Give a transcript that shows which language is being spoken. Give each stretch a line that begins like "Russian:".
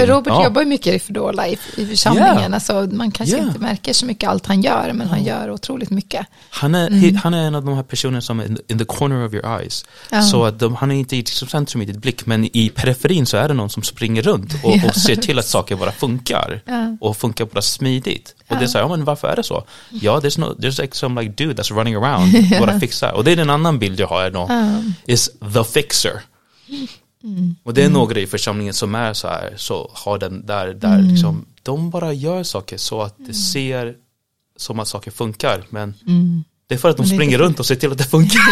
Swedish: för Robert jobbar mycket i fördola i församlingen. Yeah. Alltså, man kanske inte märker så mycket allt han gör, men han gör otroligt mycket. Han är en av de här personerna som är
English: in the corner of your eyes.
Swedish: Så att han är inte i centrum i ditt blick, men i periferin så är det någon som springer runt och ser till att saker bara funkar. Och funkar bara smidigt. Och det är så här, ja, men varför är det så?
English: Ja, there's like some like dude that's running around
Swedish: bara fixar. Och det är en annan bild jag har då.
English: Is the fixer.
Swedish: Och det är några i församlingen som är så här, så har den där liksom, de bara gör saker så att det ser som att saker funkar, men Det är för att de springer runt och ser till att det funkar.